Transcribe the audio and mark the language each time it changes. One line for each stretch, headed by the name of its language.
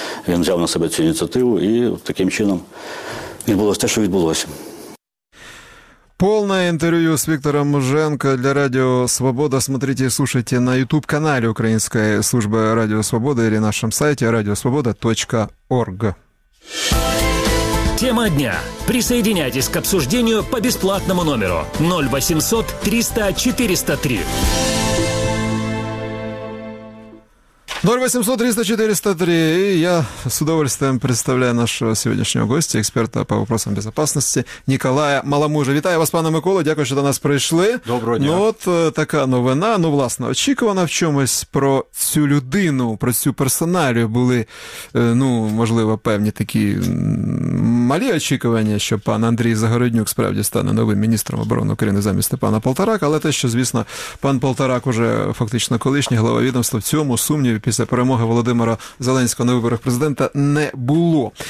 Ukrainian: Він взяв на себе цю ініціативу і таким чином відбулося те, що відбулося.
Russian: Полное интервью с Виктором Муженко для Радио Свобода смотрите и слушайте на YouTube-канале Украинской службы Радио Свобода или нашем сайте radiosvoboda.org. Тема дня. Присоединяйтесь к обсуждению по бесплатному номеру 0800 300 403. 0800-300-403. И я с удовольствием представляю нашего сегодняшнего гостя, эксперта по вопросам безопасности, Николая Маламужа.
Ukrainian: Вітаю вас, пане Миколо, дякую, що до нас прийшли. Доброго дня. Ну от така новина, ну, власне, очікувана в чомусь про цю людину, про цю персоналію були, ну, можливо, певні такі малі очікування, що пан Андрій Загороднюк справді стане новим міністром оборони України замість пана Полторака, але те, що, звісно, пан Полторак уже фактично колишній глава відомства, в цьому сумніві після перемоги Володимира Зеленського на виборах президента не було.